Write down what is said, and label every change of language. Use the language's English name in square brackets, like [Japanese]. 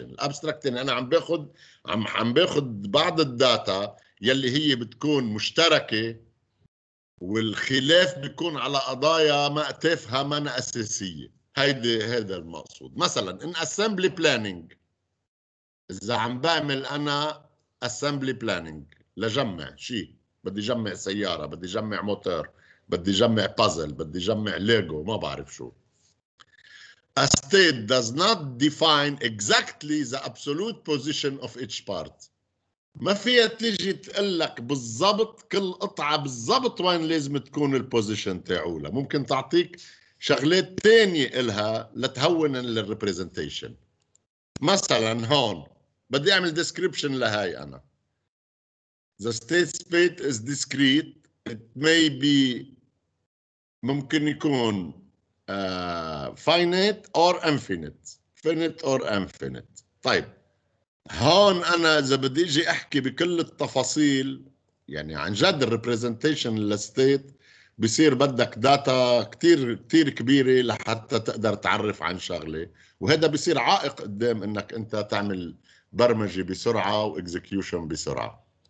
[Arabic] الابستراكت يعني أنا عم باخد بعض الداتا يلي هي بتكون مشتركة، والخلاف بيكون على قضايا ما أتفها من أساسية. هذا المقصود. مثلا [English] in assembly planning، [Arabic] إذا عم بعمل أنا assembly planning لجمع شيء، بدي جمع سيارة، بدي جمع موتور، بدي جمع بازل، بدي جمع ليجو، ما بعرف شو. [English] A state does not define exactly the absolute position of each part. [Arabic] ما فيها تيجي تقلك بالضبط كل قطعة بالضبط وين لازم تكون البوزيشن تاعولا. ممكن تعطيك شغلات تانية إلها لتهون للريبريزنتيشن. مثلا هون بدي أعمل ديسكريبشن لهاي أنا. [English] The state space is discrete. It may be [Arabic] ممكن يكون [English] finite or infinite. Finite or infinite. [Arabic] طيب هون أنا إذا بدي أجي أحكي بكل التفاصيل، يعني عن جد representation للstate بيصير بدك داتا كتير كتير كبيرة لحتى تقدر تعرف عن شغلة، وهذا بيصير عائق قدام أنك أنت تعمل برمجة بسرعة و execution بسرعة.